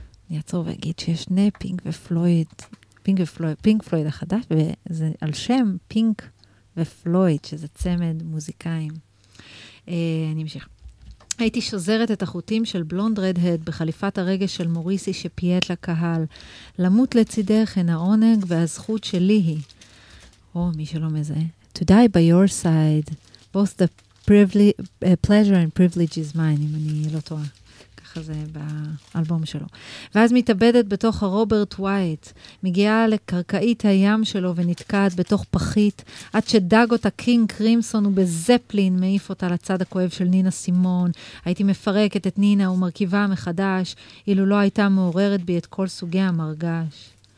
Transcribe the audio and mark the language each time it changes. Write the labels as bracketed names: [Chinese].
[Hebrew] אני אעצור ואגיד שיש שני פינק ופלויד, פינק פלויד החדש, וזה על שם פינק ופלויד, שזה צמד מוזיקאים. אני אמשיך. הייתי שוזרת את החוטים של בלונד רדהד בחליפת הרגש של מוריסי שפיית לקהל. למות לצידך הן העונג והזכות שלי היא. או, מי שלא מזהה. [English] To die by your side, both the pleasure and privilege is mine, [Hebrew] אם אני לא טועה. ככה זה באלבום שלו. ואז מתאבדת בתוך הרוברט ווייט, מגיעה לקרקעית הים שלו ונתקעת בתוך פחית, עד שדג אותה קינג קרימסון ובזפלין מעיף אותה לצד הכואב של נינה סימון. הייתי מפרקת את נינה ומרכיבה מחדש, אילו לא הייתה מעוררת בי את כל סוגי המרגש.